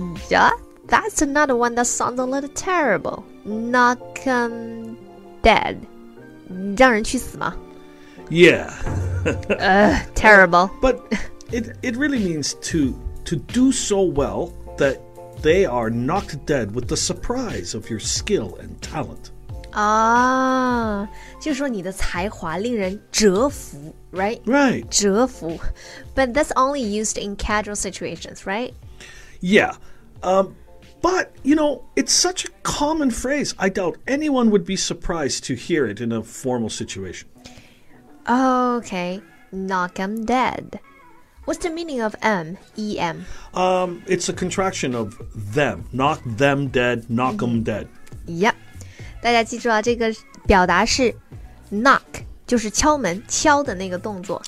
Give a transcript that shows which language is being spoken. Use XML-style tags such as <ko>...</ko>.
<en>Yeah, that's another one that sounds a little terrible Knock 'em dead</en> <zh>让人去死吗</zh> <en>Yeah. terrible. But it really means to do so well that they are knocked dead with the surprise of your skill and talent.</en> <zh>Ah, 就是说你的才华令人折服 right?</zh> <en>Right. 折服 But that's only used in casual situations, right? Yeah. But, you know, it's such a common phrase. I doubt anyone would be surprised to hear it in a formal situation. Okay, knock 'em dead. What's the meaning of M, E-M? It's a contraction of them. Knock them dead, knock them dead. Yep.</en> <zh>大家记住了，这个表达是 knock, 就是敲门，敲的那个动作。</zh>